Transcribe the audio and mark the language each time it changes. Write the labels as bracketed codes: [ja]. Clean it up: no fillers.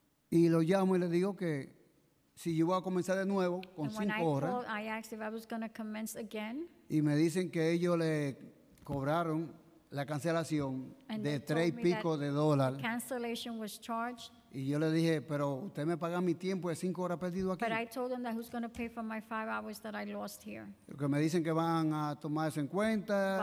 [es] Y lo llamo y le digo que si yo voy a comenzar de nuevo con 5 horas. [en] Called, I asked if I was gonna commence again. [es] Y me dicen que ellos le cobraron la cancelación [en] and [es] de tres y pico de dólar. [en] Cancellation was charged. [es] Y yo le dije, pero usted me paga mi tiempo de 5 horas perdido aquí. [en] But I told them that who's going to pay for my 5 hours that I lost here. [es] Lo que me dicen que van a tomar eso en cuenta.